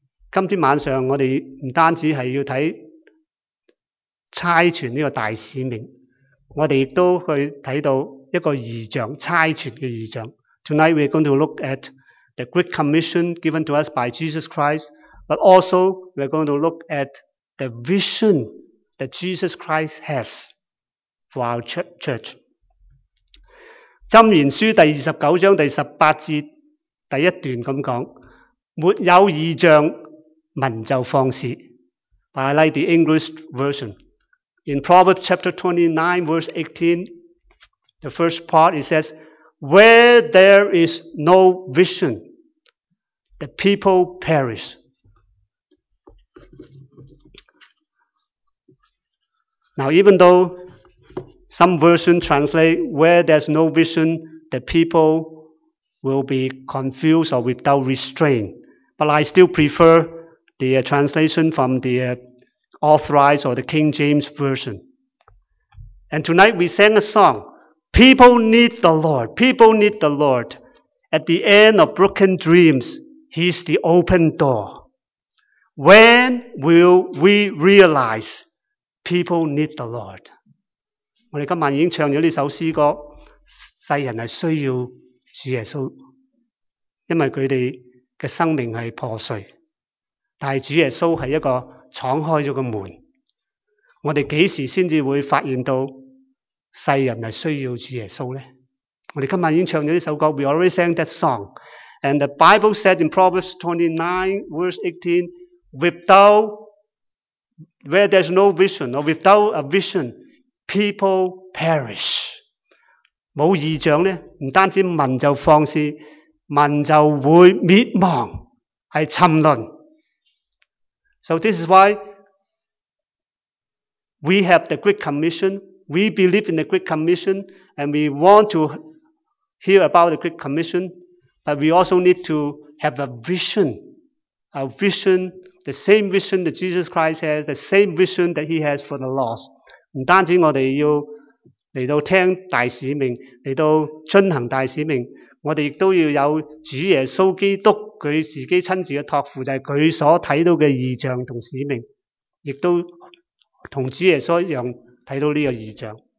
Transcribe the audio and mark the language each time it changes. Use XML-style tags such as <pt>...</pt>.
<zh>今天晚上我们不单止是要看差传这个大使命，我们也都去看到一个异象，差传的异象。</zh> <en>Tonight we're going to look at the Great Commission given to us by Jesus Christ, but also we're going to look at the vision that Jesus Christ has for our church.</en> <zh>箴言书第29章第18节第一段这么讲，没有异象民就放肆。</zh> <en>I like the English version. In Proverbs chapter 29, verse 18, the first part, it says, Where there is no vision, the people perish. Now, even though some versions translate, Where there's no vision, the people will be confused or without restraint. But I still prefer the translation from the Authorized or the King James Version. And tonight we sang a song, People need the Lord, people need the Lord. At the end of broken dreams, He's the open door. When will we realize people need the Lord?</en> <zh>我们今晚已经唱了这首诗歌，世人是需要主耶稣，因为他们的生命是破碎。但是主耶稣是一个敞开了个门，我们几时才会发现到世人是需要主耶稣呢？我们今晚已经唱了这首歌，</zh> <en>We already sang that song. And the Bible said in Proverbs 29, verse 18, Without, where there's no vision, or without a vision, people perish.</en> <zh>没有异象呢，不单止民就放肆，民就会灭亡，是沉沦。</zh> <en>So this is why we have the Great Commission. We believe in the Great Commission, and we want to hear about the Great Commission. But we also need to have a vision, a vision, the same vision that Jesus Christ has, the same vision that He has for the lost.</en> <zh>不单止我们要来到听大使命，来到遵行大使命，我们亦都要有主耶稣基督他自己亲自的托付，就是他所看到的异象和使命，亦都跟主耶稣一样看到这个异象。</zh>